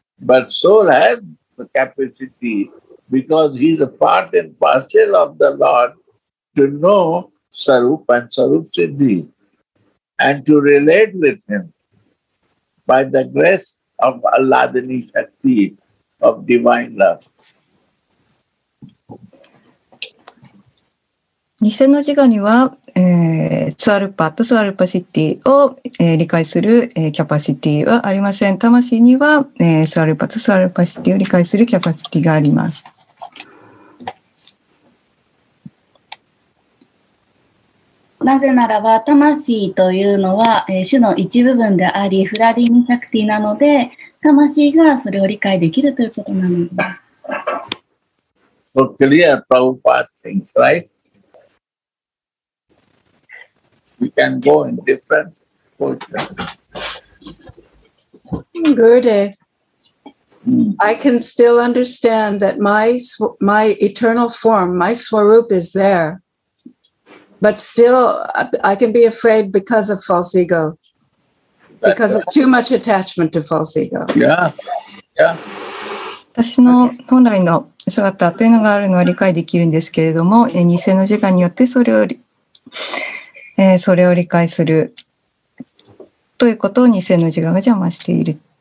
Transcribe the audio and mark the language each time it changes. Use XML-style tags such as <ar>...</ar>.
<en>But soul has the capacity, because he is a part and parcel of the Lord, to know Swarup and Swarup Siddhi and to relate with him by the grace of Alladhini Shakti, of divine love.</en> <ja>偽の自我には、ツワルパとツワルパシティを、理解する、キャパシティはありません。魂には、ツワルパとツワルパシティを理解するキャパシティがあります。なぜならば、魂というのは、種の一部分であり、フラリンサクティなので、魂がそれを理解できるということなのです。</ja> <en>So clear, Prabhupada thinks, right? We can go in different positions. Gurudev,I can still understand that my eternal form, my Swarup is there. But still, I can be afraid because of false ego. Because of too much attachment to false ego. Yeah.</en> <ja>私の本来の姿というのがあるのは理解できるんですけれども、偽の自我によってそれをそれを理解するということを偽の自我が邪魔している。</ja>